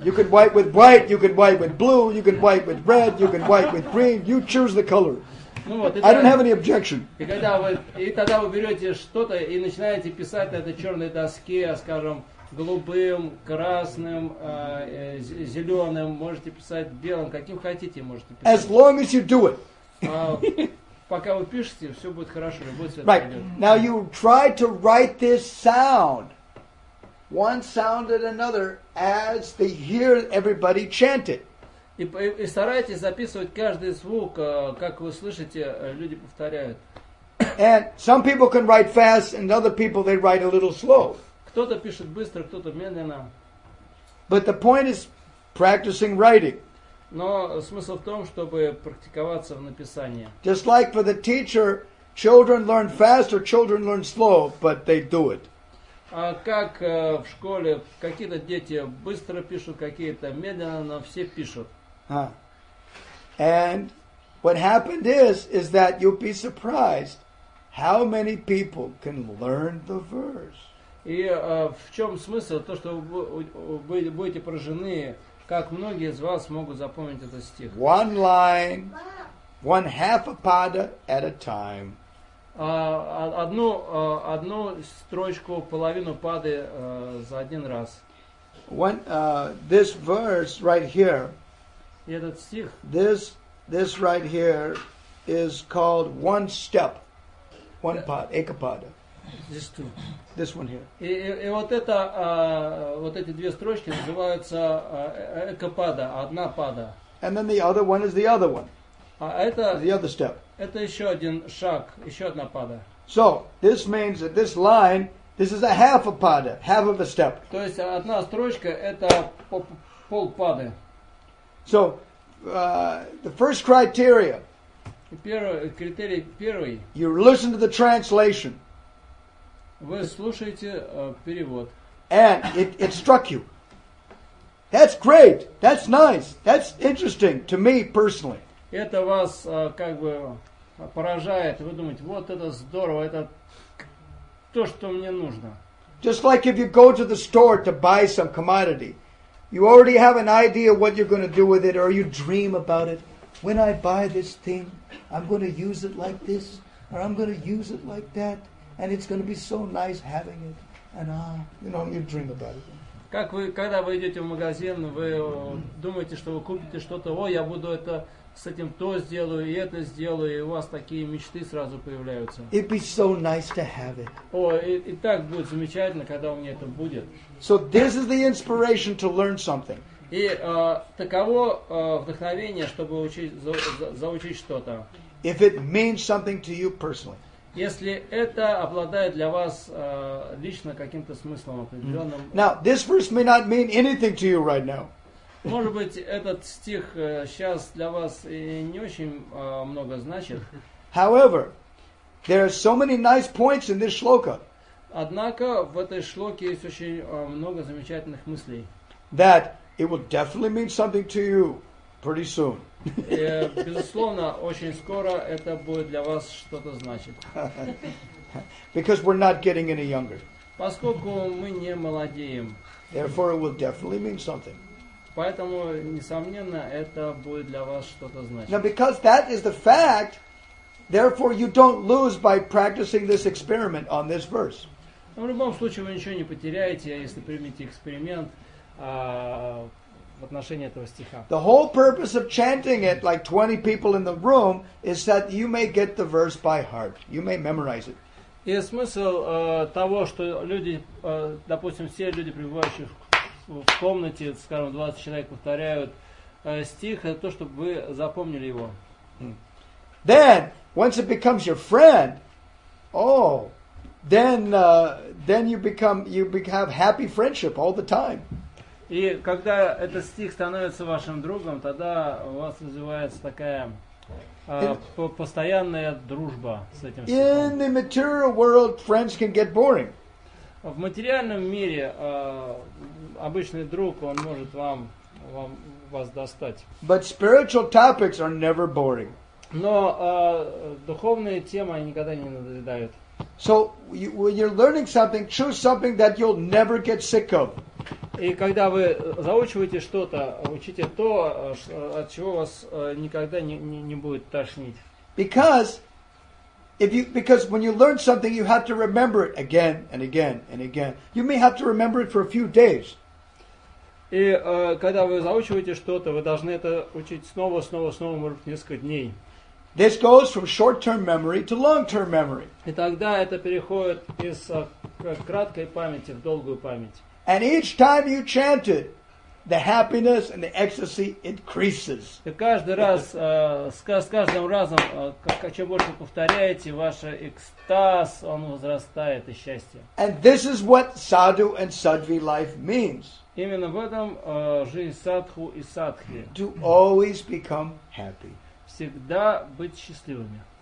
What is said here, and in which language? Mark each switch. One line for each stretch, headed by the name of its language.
English: You could white with white, you could white with blue, you could white with red, you could white with green. You choose the color. I don't have any objection.
Russian: И тогда вы берете что-то и начинаете писать на этой черной доске, скажем, голубым, красным, зеленым, можете писать белым, каким хотите можете писать.
English: As long as you do it.
Russian: Пока вы пишете, все будет хорошо, любой цвет пойдет.
English: Now you try to write this sound, one sound and another, as they hear everybody chant it.
Russian: И старайтесь записывать каждый звук, как вы слышите, люди повторяют.
English: And some people can write fast, and other people they write a little slow.
Russian: Кто-то пишет быстро, кто-то медленно.
English: But the point is practicing writing.
Russian: Но смысл в том, чтобы практиковаться в написании.
English: Just like for the teacher, children learn fast or children learn slow, but they do it.
Russian: А как в школе какие-то дети быстро пишут, какие-то медленно, но все пишут.
English: And what happened is that you'll be surprised how many people can learn the verse.
Russian: И в чем смысл? То, что вы будете поражены, как многие из вас могут запомнить этот стих.
English: One line, one half a pada at a time.
Russian: Одну строчку, половину пады за один раз.
English: This verse right here.
Russian: И этот стих.
English: This right here is called one step, one pad, eka pada. This two. This one here.
Russian: И вот это вот эти две строчки называются эка пада, одна пада.
English: And then the other one is the other one.
Russian: Это,
English: the other step.
Russian: Это еще один шаг, еще одна пада.
English: So this means that this line, this is a half a pada, half of a step.
Russian: То есть одна строчка это пол пады.
English: So the first criteria.
Russian: Первый критерий первый.
English: You listen to the translation.
Russian: Вы слушаете перевод.
English: And it struck you. That's great. That's nice. That's interesting to me personally.
Russian: Это вас как бы поражает. Вы думаете, вот это здорово, это то, что мне нужно.
English: Just like if you go to the store to buy some commodity, you already have an idea what you're going to do with it, or you dream about it. When I buy this thing, I'm going to use it like this, or I'm going to use it like that, and it's going to be so nice having it. And you know, you dream about it.
Russian: Как вы, когда вы идете в магазин, вы думаете, что вы купите что-то, о, я буду это... с этим то сделаю и это сделаю, и у вас такие мечты сразу появляются.
English: It'd be so nice to have it.
Russian: О, и так будет замечательно, когда у меня это будет.
English: So this is the inspiration to learn something.
Russian: И таково вдохновение, чтобы заучить что-то.
English: If it means something to you personally.
Russian: Если это обладает для вас лично каким-то смыслом определенным.
English: Now, this verse may not mean anything to you right now.
Russian: Может быть, этот стих сейчас для вас и не очень много значит.
English: However, there are so many nice points in this shloka.
Russian: Однако в этой шлоке есть очень много замечательных мыслей.
English: That it will definitely mean something to you pretty soon.
Russian: И, безусловно, очень скоро это будет для вас что-то значить.
English: Because we're not getting any younger.
Russian: Поскольку мы не молодеем.
English: Therefore, it will definitely mean something.
Russian: Поэтому, несомненно, это будет для вас что-то значить.
English: Now, because that is the fact, therefore you don't lose by practicing this experiment on this verse.
Russian: В любом случае, вы ничего не потеряете, если примете эксперимент в отношении этого стиха.
English: The whole purpose of chanting it, like 20 people in the room, is that you may get the verse by heart. You may memorize it.
Russian: И смысл того, что люди, допустим, все люди, пребывающие в комнате, скажем, 20 человек повторяют стих, это то, чтобы вы запомнили его.
English: Then, once it becomes your friend, then you have happy friendship all the time.
Russian: И когда этот стих становится вашим другом, тогда у вас развивается такая постоянная дружба с этим стихом.
English: In the material world, friends can get boring.
Russian: В материальном мире обычный друг, он может вас достать.
English: But spiritual topics are never boring.
Russian: Но духовные темы никогда не надоедают.
English: So when you're learning something, choose something that you'll never get sick of.
Russian: И когда вы заучиваете что-то, учите то, от чего вас никогда не будет тошнить.
English: Because when you learn something, you have to remember it again and again and again. You may have to remember it for a few days.
Russian: И когда вы заучиваете что-то, вы должны это учить снова, снова, снова, может, несколько дней.
English: This goes from short-term memory to long-term memory.
Russian: И тогда это переходит из краткой памяти в долгую память.
English: And each time you chant it, the happiness and the ecstasy increases.
Russian: И каждый раз, с каждым разом, чем больше повторяете, ваш экстаз, он возрастает, и счастье.
English: And this is what sadhu and sadhvi life means.
Russian: Именно в этом жизнь садху и садхи.
English: To always become happy.
Russian: Всегда быть счастливыми.